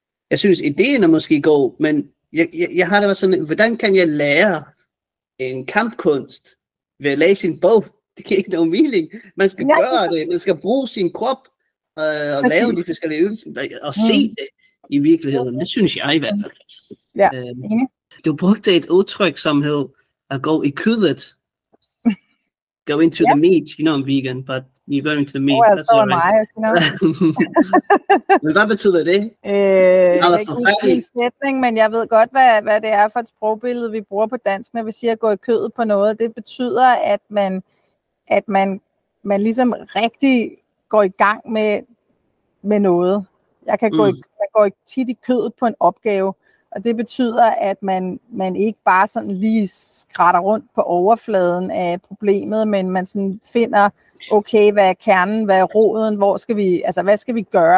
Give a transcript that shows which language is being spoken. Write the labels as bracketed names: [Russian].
[Danish] Jeg synes, ideen er måske god, men jeg har det bare sådan, hvordan kan jeg lære en kampkunst ved at læse en bog? Det giver ikke nogen mening. Man skal gøre det, man skal bruge sin krop og lave de forskellige øvelser og se det. I virkeligheden, det synes jeg i hvert fald. Ja. Du brugte et udtryk, som hed at gå i kødet. [English] Go into the meat, you know I'm vegan, but you go into the meat. Oh, that's all right. Mig, you know. [Danish] Men hvad betyder det? Det er ikke en sætning, men jeg ved godt, hvad det er for et sprogbillede, vi bruger på dansk, når vi siger at gå i kødet på noget. Det betyder, at man ligesom rigtig går i gang med noget. Jeg kan gå tit i kødet på en opgave, og det betyder, at man ikke bare sådan lige skratter rundt på overfladen af problemet, men man sådan finder, okay, hvad er kernen, hvad er roden, hvor skal vi, altså hvad skal vi gøre?